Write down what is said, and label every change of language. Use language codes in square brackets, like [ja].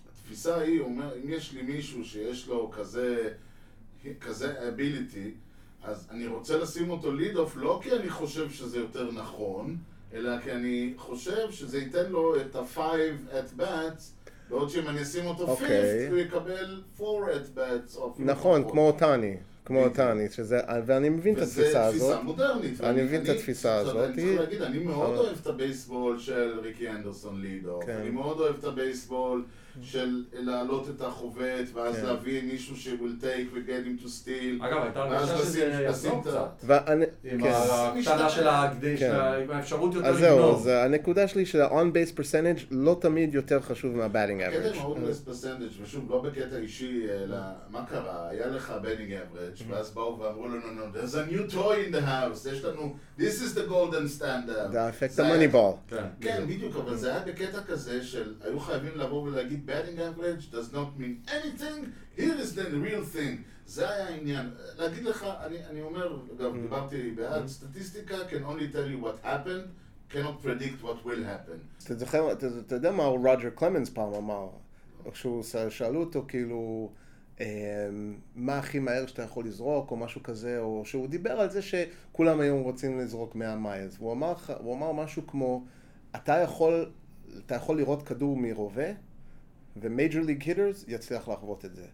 [he] התפיסה היא, אומר, אם יש לי מישהו שיש לו כזה ability, אז אני רוצה לשים אותו lead off, לא כי אני חושב שזה יותר נכון, אלא כי אני חושב שזה ייתן לו את ה-5 at bats, בעוד שאם אני אשים אותו okay. fifth, הוא יקבל 4 at bats. נכון, כמו אותני. כמו אותני, שזה, ואני מבין את התפיסה הזאת. וזה תפיסה מודרנית. אני מבין את התפיסה הזאת. אני צריך להגיד, אני מאוד אוהב את הבייסבול של ריקי אנדרסון לידו. אני מאוד אוהב את הבייסבול של להעלות את החובט, ואז להביא מישהו [en] שוויל טייק וגט אים טו סטיל. [he] אגב, הייתה הרגשה שזה יחזור קצת. ואני, כן. עם הקטנה של ההגדי, עם האפשרות יותר לגנוב. אז זהו, אז הנקודה שלי של ה-on-base percentage לא תמיד יותר חשוב מה-batting average. קטע ה-on-base percentage, ושוב, לא בקטע אישי, אלא מה קרה, היה לך batting average, ואז באו ואמרו לו, [en] no, there's a new toy in the house, [he] יש לנו, [en] this is the golden standard. The effect of money ball. [he] כן, בדיוק, אבל זה היה בקטע כזה של, היו חייבים לבוא ולהגיד, [en] batting average does not mean anything, here is the real thing. [he] זה היה העניין. להגיד לך, אני אומר, אגב, דיברתי בעד, סטטיסטיקה [en] can only tell you what happened, cannot predict what will happen. [he] אתה יודע מה רוג'ר קלמנס פעם אמר? כששאלו אותו כאילו, מה הכי מהר שאתה יכול לזרוק או משהו כזה, או שהוא דיבר על זה שכולם היום רוצים לזרוק 100 מייל. הוא אמר משהו כמו, אתה יכול לראות כדור מרובה, ומייג'ר ליג היטרס יצליח לחוות את זה.